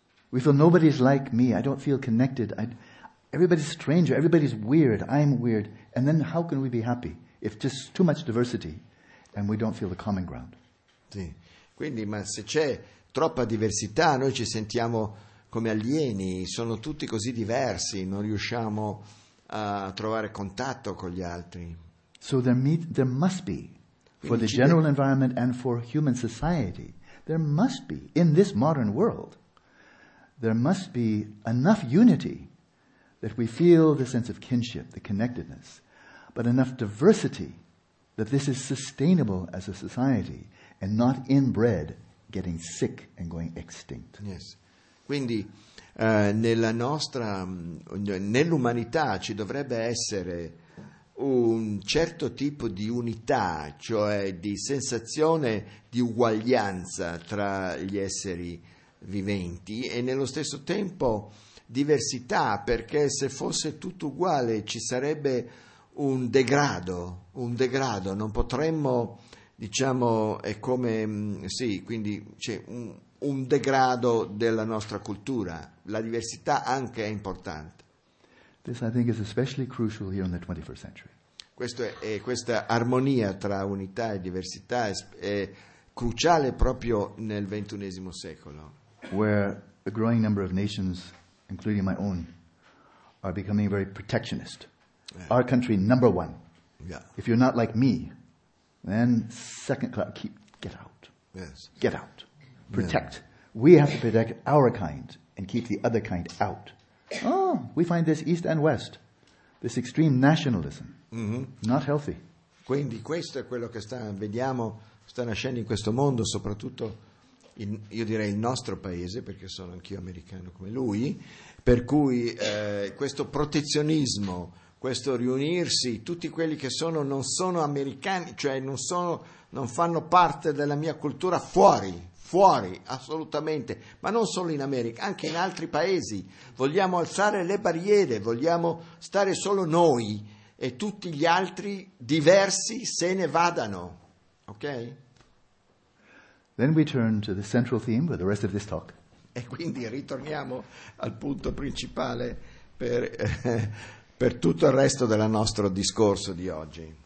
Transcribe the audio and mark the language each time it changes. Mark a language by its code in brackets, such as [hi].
[en] We feel nobody's like me, I don't feel connected, everybody's stranger, everybody's weird, I'm weird, and then how can we be happy if just too much diversity and we don't feel the common ground? [it] Sì. Quindi, ma se c'è troppa diversità, noi ci sentiamo come alieni, sono tutti così diversi, non riusciamo a trovare contatto con gli altri. [en] So there must be, quindi for the general environment and for human society, there must be, in this modern world, there must be enough unity that we feel the sense of kinship, the connectedness, but enough diversity that this is sustainable as a society and not inbred, getting sick and going extinct. Yes. [it] Quindi nella nostra, nell'umanità ci dovrebbe essere un certo tipo di unità, cioè di sensazione di uguaglianza tra gli esseri viventi e nello stesso tempo diversità, perché se fosse tutto uguale ci sarebbe un degrado, non potremmo, diciamo, è come, sì, quindi c'è un degrado della nostra cultura, la diversità anche è importante. [en] This, I think, is especially crucial here in the 21st century. [it] Questa armonia tra unità e diversità è cruciale proprio nel XXI secolo, [en] where a growing number of nations, including my own, are becoming very protectionist. Yeah. Our country number one. Yeah. If you're not like me, then second class, get out. Yes. Get out. Protect. Yeah. We have to protect our kind and keep the other kind out. Oh, we find this East and West, this extreme nationalism, not healthy. [it] Quindi questo è quello che sta nascendo in questo mondo, soprattutto io direi il nostro paese, perché sono anch'io americano come lui, per cui questo protezionismo, questo riunirsi, tutti quelli che sono non sono americani, cioè non fanno parte della mia cultura, fuori, assolutamente, ma non solo in America, anche in altri paesi, vogliamo alzare le barriere, vogliamo stare solo noi e tutti gli altri diversi se ne vadano, ok? [en] Then we turn to the central theme for the rest of this talk. [it] E quindi ritorniamo al punto principale per tutto il resto del nostro discorso di oggi.